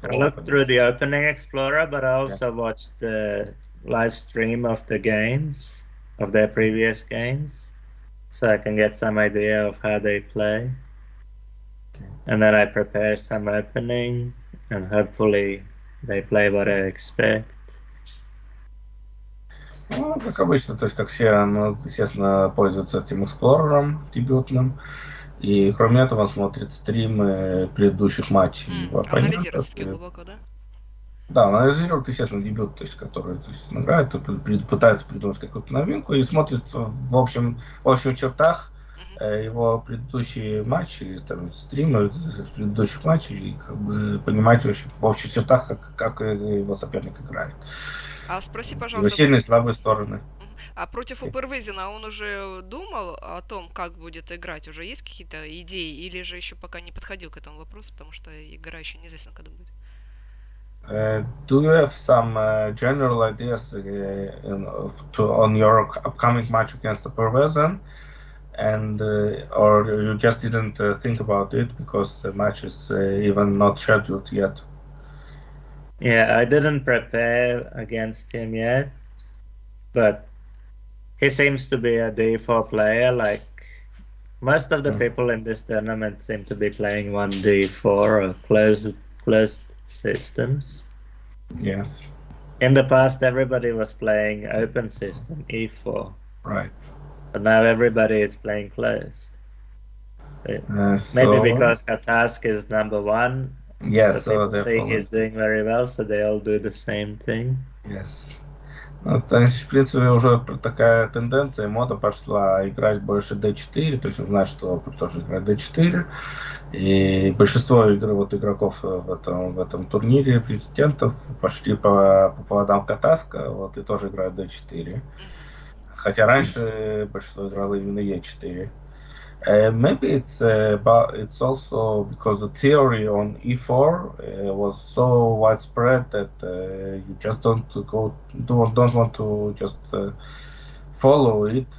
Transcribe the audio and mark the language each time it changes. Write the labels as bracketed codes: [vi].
[en] I look through the Opening Explorer, but I also watch the live stream of the games, of their previous games, so I can get some idea of how they play. Okay. And then I prepare some opening, and hopefully they play what I expect. [ru] Ну, как обычно, то есть как все, ну, естественно, пользуются этим эксплорером дебютным. И кроме этого он смотрит стримы предыдущих матчей. Анализирует такие глубоко, да? Да, он анализирует, естественно, дебют, то есть, который то есть, играет, пытается придумать какую-то новинку и смотрит в общих чертах его предыдущие матчи, там, стримы предыдущих матчей, и как бы понимать в общих чертах, как его соперник играет. А спроси, пожалуйста. Его сильные и слабые стороны. А против Упервизина он уже думал о том, как будет играть? Уже есть какие-то идеи? Или же еще пока не подходил к этому вопросу, потому что игра еще неизвестна, когда будет? [en] Do you have some general ideas on your upcoming match against Upervizin? And or you just didn't think about it because the match is even not scheduled yet? Yeah, I didn't prepare against him yet, but he seems to be a D4 player. Like most of the people in this tournament seem to be playing 1D4 or closed systems. Yes. In the past, everybody was playing open system E4. Right. But now everybody is playing closed. Maybe because Katask is number one. Yes, so people see he's doing very well, so they all do the same thing. Yes. [ru] Ну, то есть, в принципе, уже такая тенденция, мода пошла играть больше D4, то есть он знает, что тоже играет D4. И большинство игроков в этом турнире президентов пошли по поводам Катаска, вот, и тоже играют D4. Хотя раньше большинство играло именно E4. [en] Maybe it's also because the theory on E4 was so widespread that you just don't want to follow it.